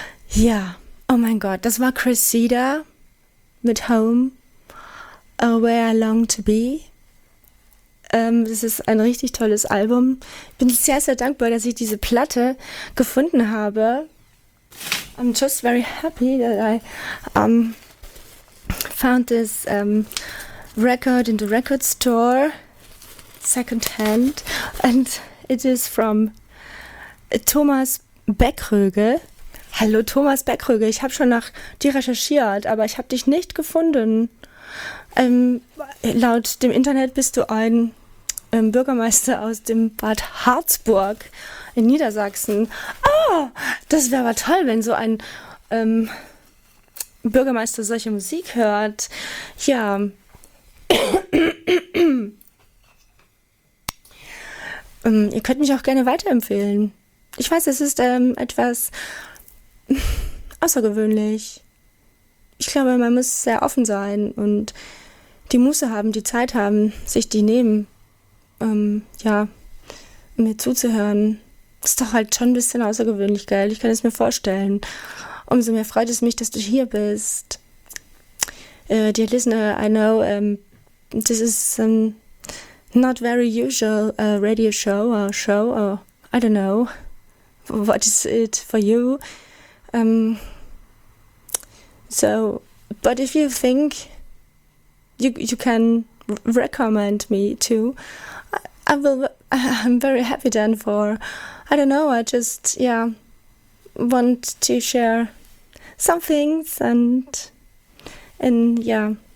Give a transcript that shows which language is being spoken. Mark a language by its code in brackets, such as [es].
[de] Ja, oh mein Gott, das war Cressida mit Home, A Way I Long To Be. Das ist ein richtig tolles Album. Ich bin sehr, sehr dankbar, dass ich diese Platte gefunden habe. [en] I'm just very happy that I found this record in the record store, second hand, and it is from Thomas Beckröge. [de] Hallo Thomas Beckröge, ich habe schon nach dir recherchiert, aber ich habe dich nicht gefunden. Laut dem Internet bist du ein Bürgermeister aus dem Bad Harzburg in Niedersachsen. Oh, das wäre aber toll, wenn so ein Bürgermeister solche Musik hört. Ja. ihr könnt mich auch gerne weiterempfehlen. Ich weiß, es ist etwas außergewöhnlich. Ich glaube, man muss sehr offen sein und die Muße haben, die Zeit haben, sich die nehmen, mir zuzuhören. Ist doch halt schon ein bisschen außergewöhnlich, gell? Ich kann es mir vorstellen. Umso mehr freut es mich, dass du hier bist. [en] Dear listener, I know this is not very usual radio show or show, or I don't know. What is it for you? But if you think you can recommend me to, I'm very happy then for, I don't know, I just, yeah, want to share some things and yeah.